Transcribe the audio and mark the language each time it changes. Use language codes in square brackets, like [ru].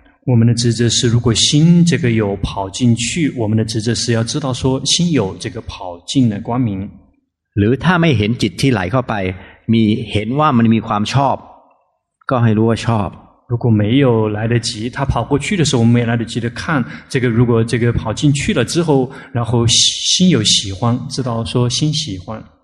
[zh] 我们的职责是如果心这个有跑进去我们的职责是要知道说心有这个跑进的光明 [th] หรือถ้าไม่เห็นจิตที่ไหลเข้าไปมีเห็นว่ามันมีความชอบก็ให้รู้ว่าชอบ [zh] 如果没有来得及他跑过去的时候我们也来得及的看这个如果这个跑进去了之后然后心有喜欢知道说心喜欢